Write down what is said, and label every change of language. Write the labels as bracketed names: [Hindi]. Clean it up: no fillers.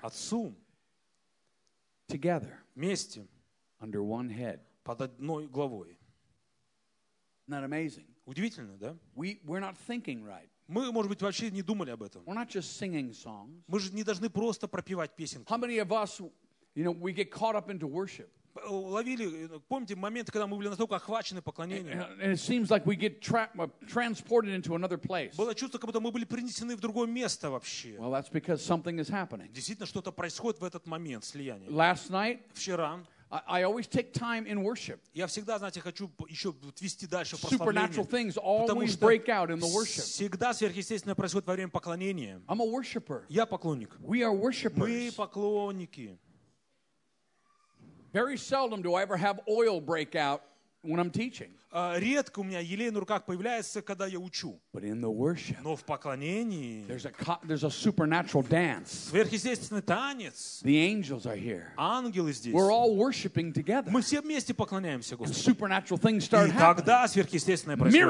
[Russian] Отцу. [English] Together. [Russian] Вместе. [English] Under one head. [Russian] Под одной главой. [English] Not amazing. [Russian] Удивительно, да? [English] We're not thinking right. [Russian] Мы, может быть, вообще не думали об этом. [English] We're not just singing songs. [Russian] Мы же не должны просто пропевать песенки. [English] How many of us? You know, we get caught up into worship. [Russian] Ловили, помните момент, когда мы были настолько охвачены поклонением? [English] And it seems like we get transported into another place. [Russian] Было чувство, как будто мы были принесены в другое место вообще. [English] Well, that's because something is happening. [Russian] Действительно, что-то происходит в этот момент слияния. [English] Last night. [Russian] Вчера. [English] I always take time in worship. [Russian] Я всегда, знаете, хочу еще отвести дальше прославление. [English] Supernatural things always break out in the worship. [Russian] Всегда сверхъестественное происходит во время поклонения. [English] I'm a worshipper. [Russian] Я поклонник. [English] We are worshippers. [Russian] Мы поклонники. [English] Very seldom do I ever have oil break out when I'm teaching. [Russian] Редко у меня елей на руках появляется, когда я учу. [English] But in the worship, [Russian] но в поклонении, [English] there's a supernatural dance. [Russian] Сверхъестественный танец. [English] The angels are here. [Russian] Ангелы здесь. [English] We're all worshiping together. [Russian] Мы все вместе поклоняемся Господу. [English] And supernatural things start happening. [Russian] И тогда сверхъестественное происходит.